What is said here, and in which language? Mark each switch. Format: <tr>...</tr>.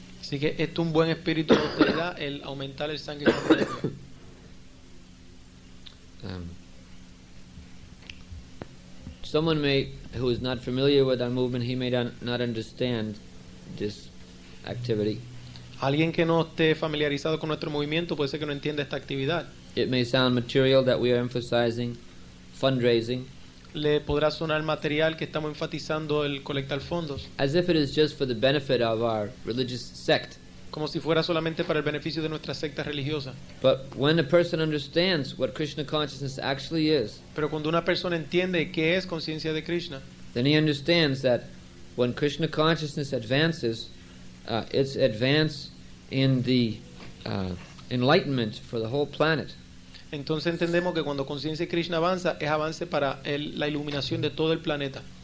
<es>Así que esto es un buen espíritu de austeridad, el aumentar el Sankirtan Yajna.</es> <en>Someone may, who is not familiar with our movement, he may not understand this activity.</en> <es>Alguien que no esté familiarizado con nuestro movimiento puede ser que no entienda esta actividad.</es> <en>It may sound material that we are emphasizing fundraising.</en> <es>Le podrá sonar material que estamos enfatizando el colectar fondos.</es> <en>As if it is just for the benefit of our religious sect.</en> <es>Como si fuera solamente para el beneficio de nuestra secta religiosa.</es> <en>But when a person understands what Krishna consciousness actually is.</en> <es>Pero cuando una persona entiende qué es conciencia de Krishna.</es> <en>Then he understands that when Krishna consciousness advances, its advance in the enlightenment for the whole planet.</en> <es>Entonces entendemos que cuando conciencia de Krishna avanza es avance para la iluminación de todo el planeta.</es>